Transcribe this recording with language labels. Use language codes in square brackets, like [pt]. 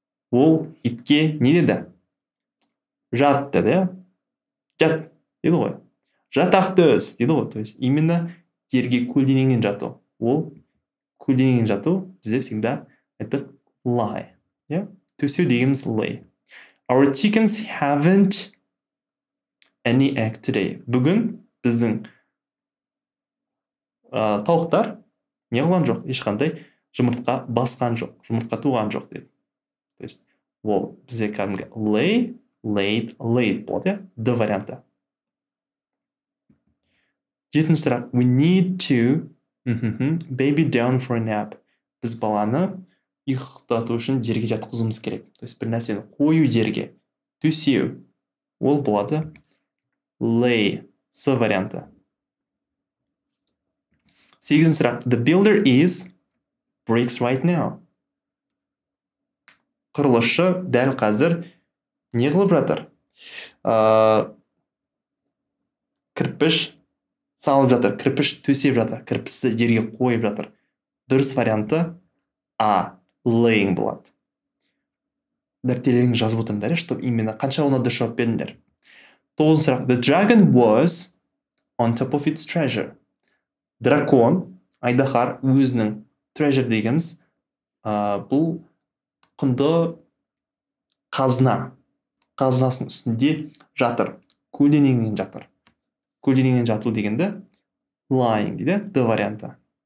[kk] Ол итке не деді? Жат деді. Жат деді ғой. Жатақты өз деді ғой. [ru] То есть, именно [kk] жерге көлденеңнен жату. Ол көлденеңнен жату бізде [ru] всегда [kk] айттық lie. [en] Yeah? [kk] Төсеу дегеніміз lay. [en] Our chickens haven't any egg today. [kk] Бүгін біздің тауықтар не қылған жоқ. Ешқандай жұмыртқа басқан жоқ. Жұмыртқа туған жоқ деді. [ru] То есть, [kk] ол бізде кәдімгі [en] lay, laid, laid [kk] болады, иә? D варианты. Жетінші сұрақ. [en] We need to baby down for a nap. [kk] Біз баланы ұйықтату үшін жерге жатқызуымыз керек. [ru] То есть, [kk] бір нәрсені қою жерге, төсеу. Ол болады lay, C варианты. Сегізінші сұрақ. The builder is bricks right now. Құрылышы дәл қазір не қылып жатыр? Кірпіш салып жатыр, кірпіш төсеп жатыр, кірпішті жерге қойып жатыр. дұрыс варианты А, laying болады. Дәптерлеріңіз жазып отырыңдар, [ru] что именно [kk] қанша оны дұрыс жауап беріңдер. Тоғызыншы сұрақ, [en] the dragon was on top of its treasure. [kk] Дракон, айдахар, өзінің treasure дегеніміз, бұл құнды қазына. Қазынасының үстінде жатыр. Көлденеңінен жатыр. Көлденеңінен жату дегенді lying дейді, the варианты.